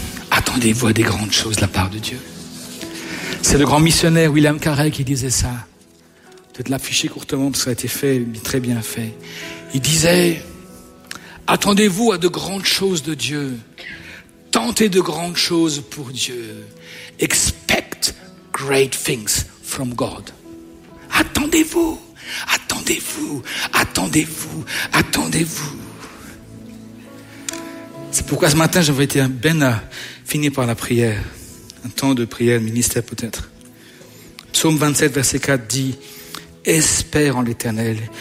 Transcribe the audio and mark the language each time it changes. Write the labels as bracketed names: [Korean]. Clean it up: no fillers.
[French] Attendez-vous à des grandes choses de la part de Dieu. C'est le grand missionnaire William Carey qui disait ça. Peut-être l'afficher courtement parce que ça a été fait, très bien fait. Il disait, attendez-vous à de grandes choses de Dieu. Tentez de grandes choses pour Dieu. [English] Expect great things from God. [French] Attendez-vous, attendez-vous, attendez-vous, attendez-vous. C'est pourquoi ce matin, j'avais été ben à finir par la prière. Un temps de prière, ministère peut-être. Psaume 27, verset 4 dit, espère en l'Éternel.